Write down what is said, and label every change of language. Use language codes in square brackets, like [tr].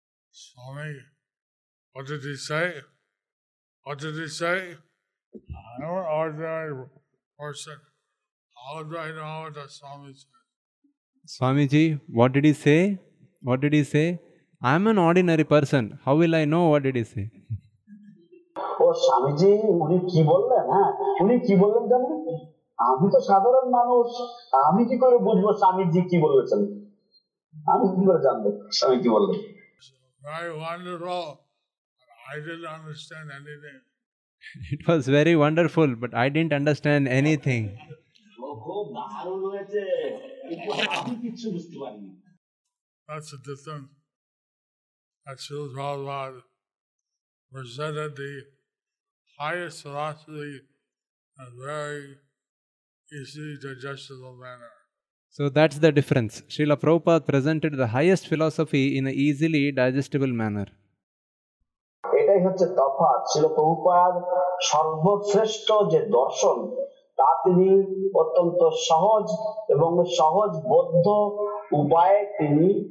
[en] Swami, what did he say? What did he say? I'm an ordinary person. How do I know what the Swami said? Swamiji, what did he say? What did he say? I am an ordinary person. How will I know what did he say? [bn] Oh, Swamiji, উনি কি বললেন? উনি কি বললেন জানেন? আমি তো সাধারণ মানুষ, আমি কি করে বুঝবো স্বামীজি কি বলেছেন? আমি কি করে জানবো স্বামী কি বললেন? [en] Very wonderful. I didn't understand anything. It was very wonderful, but I didn't understand anything. [bn] খুব দারুণ হয়েছে, আমি কিছু বুঝতে পারিনি। [en] That's a difference. That Srila Prabhupada presented the highest philosophy in a very easily digestible manner. So that's the difference. Srila Prabhupada presented the highest philosophy in an easily digestible manner. [bn] এটাই হচ্ছে তফাৎ। Srila Prabhupada সর্বশ্রেষ্ঠ যে দর্শন তা তিনি অত্যন্ত সহজ এবং সহজ বোধ্য উপায়ে তিনি